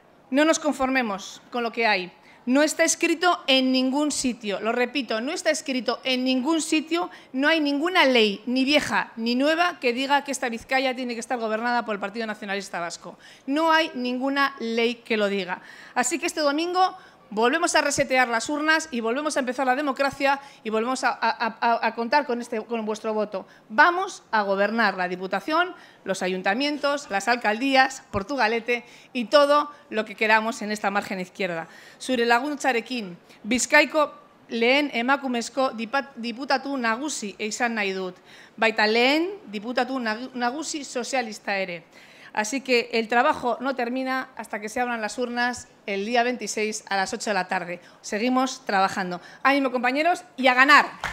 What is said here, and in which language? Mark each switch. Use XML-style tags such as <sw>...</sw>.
<es>No nos conformemos con lo que hay. No está escrito en ningún sitio, lo repito, no está escrito en ningún sitio, no hay ninguna ley, ni vieja ni nueva, que diga que esta Vizcaya tiene que estar gobernada por el Partido Nacionalista Vasco. No hay ninguna ley que lo diga. Así que este domingo volvemos a resetear las urnas y volvemos a empezar la democracia y volvemos a contar con, con vuestro voto. Vamos a gobernar la Diputación, los ayuntamientos, las alcaldías, Portugalete y todo lo que queramos en esta margen izquierda.</es> <eu>Zure laguntzarekin, Bizkaiko lehen emakumezko diputatu nagusi izan nahi dut, baita lehen diputatu nagusi sozialista ere.</eu> <es>Así que el trabajo no termina hasta que se abran las urnas el día 26 a las 8 de la tarde. Seguimos trabajando. ¡Ánimo, compañeros! ¡Y a ganar!</es>